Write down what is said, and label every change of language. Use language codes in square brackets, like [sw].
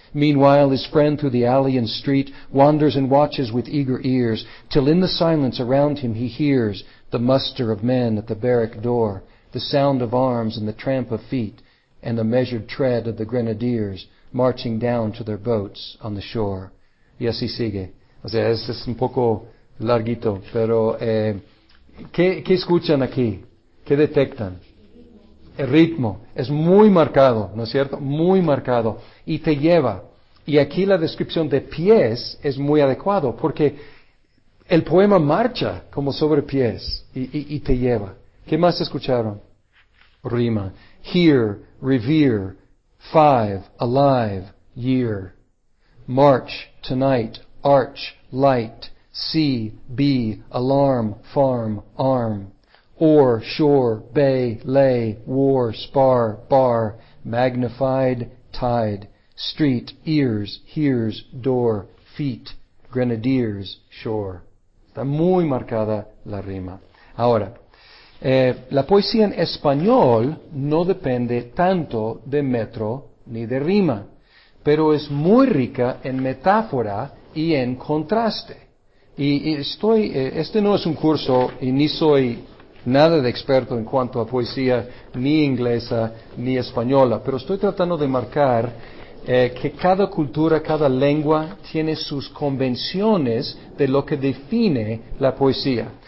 [en] Meanwhile, his friend through the alley and street wanders and watches with eager ears, till in the silence around him he hears the muster of men at the barrack door, the sound of arms and the tramp of feet, and the measured tread of the grenadiers marching down to their boats on the shore. [es] Y así sigue. O sea, este es un poco larguito, pero ¿qué escuchan aquí? ¿Qué detectan? El ritmo es muy marcado, ¿no es cierto? Muy marcado. Y te lleva. Y aquí la descripción de pies es muy adecuado, porque el poema marcha como sobre pies y te lleva. ¿Qué más escucharon? Rima. [en] Here, revere, five, alive, year. March, tonight, arch, light, sea, be, alarm, farm, arm. Or, shore, bay, lay, war, spar, bar, magnified, tide, street, ears, hears, door, feet, grenadiers, shore. [es] Está muy marcada la rima. Ahora, la poesía en español no depende tanto de metro ni de rima, pero es muy rica en metáfora y en contraste. Este no es un curso y ni soy nada de experto en cuanto a poesía ni inglesa ni española, pero estoy tratando de marcar que cada cultura, cada lengua tiene sus convenciones de lo que define la poesía.